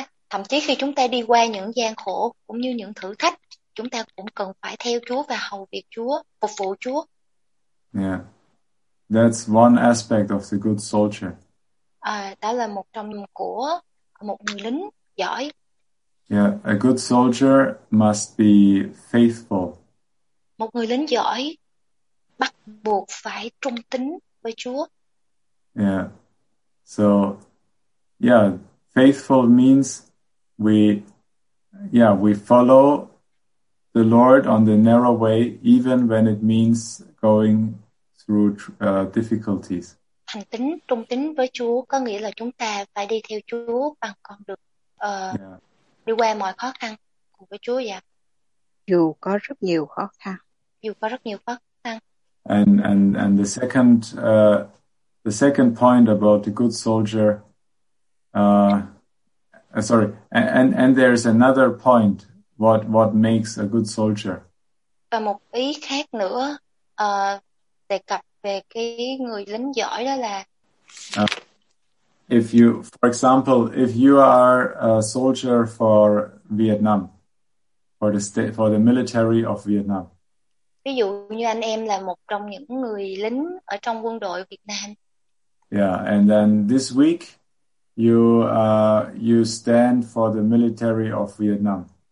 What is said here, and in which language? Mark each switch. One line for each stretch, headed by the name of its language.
Vietnamese: Thậm chí khi chúng ta đi qua những gian khổ cũng như những thử thách, chúng ta cũng cần phải theo Chúa và hầu việc Chúa, phục vụ Chúa.
English: Yeah, that's one aspect of the good soldier.
Vietnamese: Đó là một trong của một người lính giỏi.
English: Yeah, a good soldier must be faithful.
Vietnamese: Một người lính giỏi bắt buộc phải trung tín với Chúa.
English: Yeah, so yeah, faithful means we follow the Lord on the narrow way, even when it means going through difficulties.
Vietnamese: Thành tín, trung tín với Chúa có nghĩa là chúng ta phải đi theo Chúa bằng con đường đi qua mọi khó khăn cùng với Chúa vậy. Dù có rất nhiều khó khăn.
English: And the second point about the good soldier. And there is another point. What makes a good soldier?
Vietnamese: Và một ý khác nữa đề cập về cái người lính giỏi đó là
English: if you, for example, if you are a soldier for Vietnam, for the state, for the military of Vietnam.
Vietnamese: Ví dụ như anh em là một trong những người lính ở trong quân đội Việt Nam.
English: Yeah, and then this week you stand for the military of Vietnam.